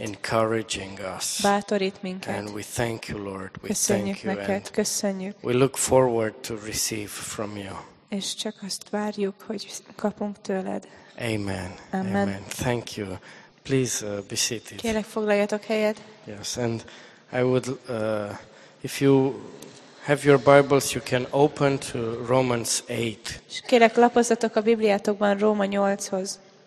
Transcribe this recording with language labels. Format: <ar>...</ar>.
<en>Encouraging us.</en> <hu>Bátorít minket.</hu> <en>And we thank you, Lord. We</en> <hu>köszönjük</hu> <en>thank</en> <hu>neked.</hu> <en>You. And</en> <hu>köszönjük.</hu> <en>We look forward to receive from you.</en> <hu>És csak azt várjuk, hogy kapunk tőled. Amen. Amen. Amen.</hu> <en>Thank you. Please be seated.</en> <hu>Kérlek, foglaljatok helyet.</hu> <en>Yes, and I would if you have your Bibles, you can open to Romans 8.</en> <hu>Kérlek, lapozzatok a Bibliátokban Róma 8-hoz.</hu>